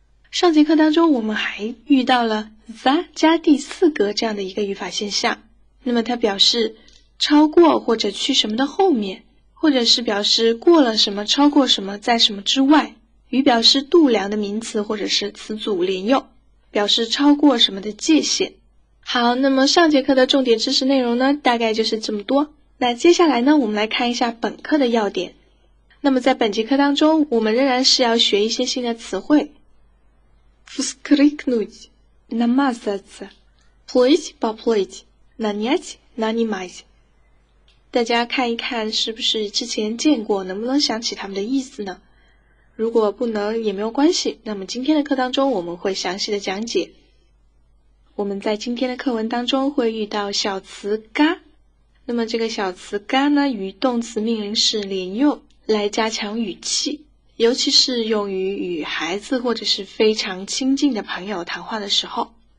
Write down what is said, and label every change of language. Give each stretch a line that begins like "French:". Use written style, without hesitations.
Chinese: 上节课当中我们还遇到了 za 加第四格这样的一个语法现象，那么它表示超过或者去什么的后面，或者是表示过了什么超过什么在什么之外，与表示度量的名词或者是词组连用，表示超过什么的界限。好，那么上节课的重点知识内容呢，大概就是这么多。那接下来呢，我们来看一下本课的要点。那么在本节课当中，我们仍然是要学一些新的词汇。
Russian: Вскрикнуть, намазаться, плыть, поплыть, нанять, нанимать.
Chinese: 大家看一看是不是之前见过，能不能想起他们的意思呢？如果不能也没有关系，那么今天的课当中我们会详细的讲解。我们在今天的课文当中会遇到小词嘎。那么这个小词嘎呢，与动词命令式连用，来加强语气，尤其是用于与孩子或者是非常亲近的朋友谈话的时候。